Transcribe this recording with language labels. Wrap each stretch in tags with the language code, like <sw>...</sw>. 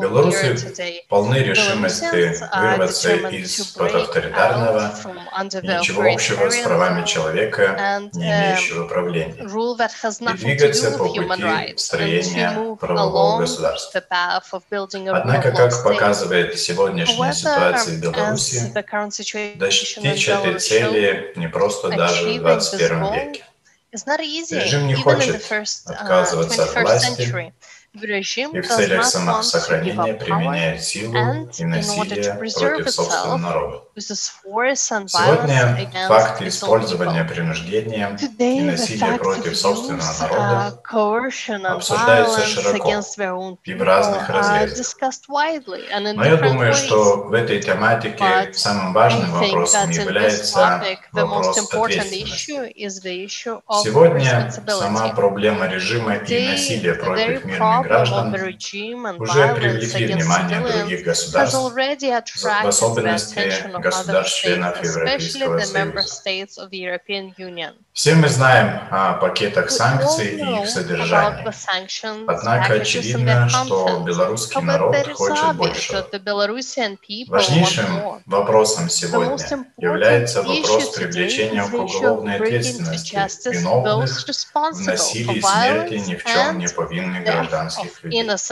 <ru>Белорусы полны решимости вырваться из-под авторитарного, ничего общего с правами человека, не имеющего правления, и двигаться по пути строения правового государства. Однако, как показывает сегодняшняя ситуация в Беларуси, достичь этой цели не просто даже в 21 веке.</ru> <en>It's not easy, even in the first 21st century. The regime does not want to give up power, and in order to preserve itself, uses force and violence against its own people. Today, the fact of coercion and violence against their own people are discussed widely and in different ways. But I think that in this topic, the most important issue is the issue of responsibility. Today, the very problem of the regime and violence against civilians has already attracted the attention of other states, especially the member states of the European Union.</en> <ru>Все мы знаем о пакетах санкций и их содержании. Однако очевидно, что белорусский народ хочет большего. Важнейшим вопросом сегодня является вопрос привлечения к уголовной ответственности виновных в насилии и смерти ни в чем не повинных гражданских людей.</ru>